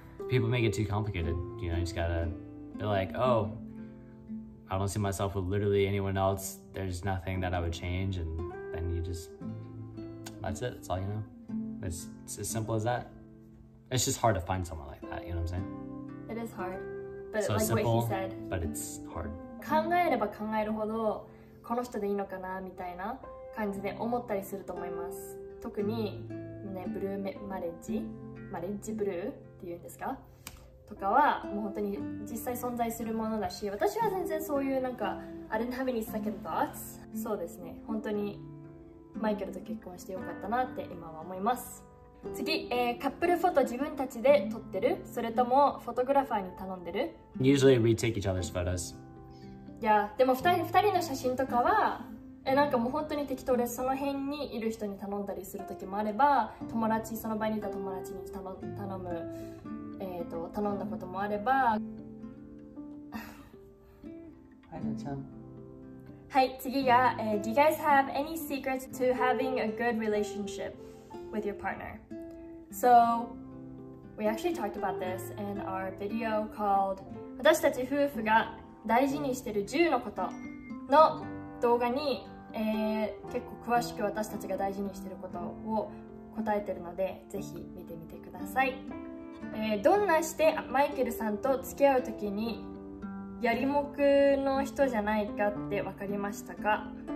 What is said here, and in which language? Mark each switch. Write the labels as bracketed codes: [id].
[en] People make it too complicated. You know, you just gotta be like, oh, I don't see myself with literally anyone else. There's nothing that I would change. And then you just, that's it. That's all you know. It's as simple as that. It's just hard to find someone like that. You know what I'm saying? It is hard. But so like simple, what he said. But it's hard. [ja] 考えれば考えるほどこの人でいいのかなみたいな感じで思ったりすると思います。特に、ね、ブルーマレッジ、マレッジブルーっていうんですか? とかはもう本当に実際存在するものだし、私は全然そういうなんか、 [en] I didn't have any second thoughts。 [ja] そうですね、本当にマイケルと結婚してよかったなって今は思います。次、カップルフォト自分たちで撮ってる?それともフォトグラファーに頼んでる? [en] Usually we take each other's photos。 [ja] いや、でも2人の写真とかは、なんかもう本当に適当でその辺にいる人に頼んだりする時もあれば、友達、その場にいた友達に頼む、頼んだこともあれば。はい、なちゃん。はい、次が、 [en] Do you guys have any secrets to having a good relationship with your partner? So, we actually talked about this in our video called [ja] 私たち夫婦が大事にしてる10のことの動画に、結構詳しく私たちが大事にしてることを答えてるのでぜひ見てみてください、どんなしてマイケルさんと付き合うときにやりもくの人じゃないかって分かりましたか